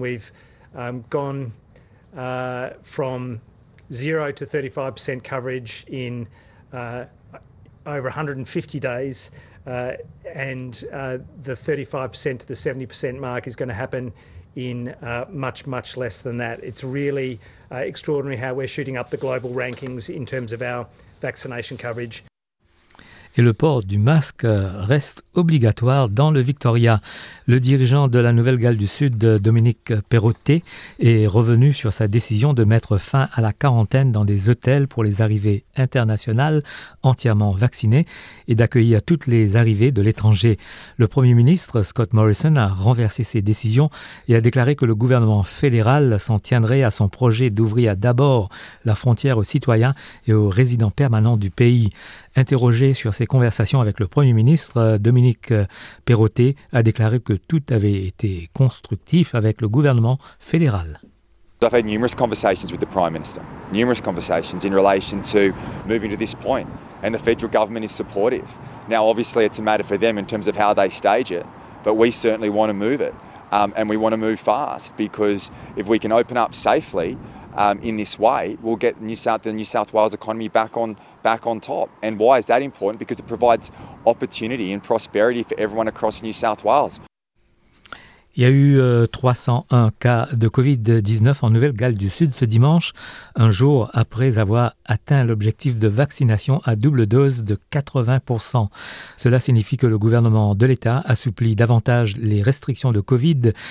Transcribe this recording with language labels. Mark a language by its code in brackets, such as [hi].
[en] We've gone from 0 to 35% coverage in over 150 days and the 35% to the 70% mark is going to happen in much, much less than that. It's really extraordinary how we're shooting up the global rankings in terms of our vaccination coverage. [fr] Et le port du masque reste obligatoire dans le Victoria. Le dirigeant de la Nouvelle-Galles du Sud, Dominique Perrottet, est revenu sur sa décision de mettre fin à la quarantaine dans des hôtels pour les arrivées internationales entièrement vaccinées et d'accueillir toutes les arrivées de l'étranger. Le Premier ministre, Scott Morrison, a renversé ses décisions et a déclaré que le gouvernement fédéral s'en tiendrait à son projet d'ouvrir d'abord la frontière aux citoyens et aux résidents permanents du pays. Interrogé sur ses conversations avec le Premier ministre, Dominique Perrottet a déclaré que tout avait été constructif avec le gouvernement fédéral. [en] I've had numerous conversations with the Prime Minister, numerous conversations in relation to moving to this point, and the federal government is supportive. Now, obviously, it's a matter for them in terms of how they stage it, but we certainly want to move it, and we want to move fast because if we can open up safely in this way, we'll get the New South Wales economy back on top. And why is that important? Because it provides opportunity and prosperity for everyone across New South Wales. [fr] Il y a eu 301 cas de COVID-19 en Nouvelle-Galles du Sud ce dimanche, un jour après avoir atteint l'objectif de vaccination à double dose de 80%. Cela signifie que le gouvernement de l'État assouplit davantage les restrictions de COVID.